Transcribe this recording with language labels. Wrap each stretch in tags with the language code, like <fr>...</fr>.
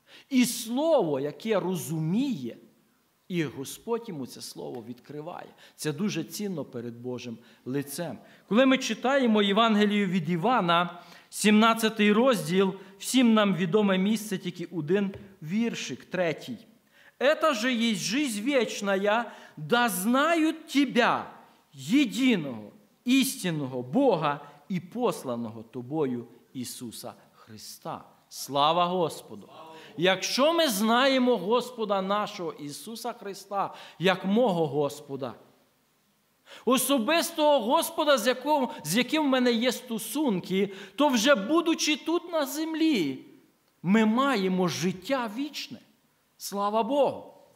<uk>І слово, яке розуміє, і Господь йому це слово відкриває. Це дуже цінно перед Божим лицем. Коли ми читаємо Євангелію від Івана, 17 розділ, всім нам відоме місце, тільки один віршик, третій.</uk> <ru>«Это же есть жизнь вечная, да знают тебя, единого, истинного Бога и посланного тобою Иисуса Христа».</ru> <uk>Слава Господу! Якщо ми знаємо Господа нашого, Ісуса Христа, як мого Господа, особистого Господа, з яким в мене є стосунки, то вже будучи тут на землі, ми маємо життя вічне. Слава Богу!</uk>